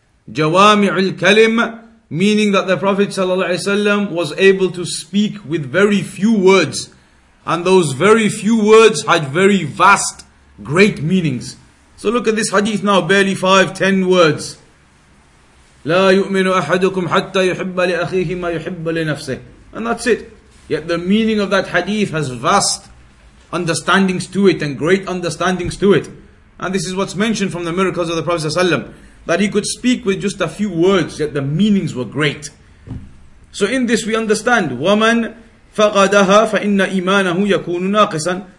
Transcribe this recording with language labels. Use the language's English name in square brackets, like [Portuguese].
[English] Jawami'ul Kalim, meaning that the Prophet ﷺ was able to speak with very few words. And those very few words had very vast, great meanings. So look at this hadith now, barely 5-10 words. [Arabic] لا يؤمن أحدكم حتى يحب لأخيه ما يحب لنفسه. [English] And that's it. Yet the meaning of that hadith has vast understandings to it and great understandings to it. And this is what's mentioned from the miracles of the Prophet ﷺ, that he could speak with just a few words, yet the meanings were great. So in this we understand, [Arabic] وَمَنْ فَقَدَهَا فَإِنَّ إِمَانَهُ يَكُونُ نَاقِسًا.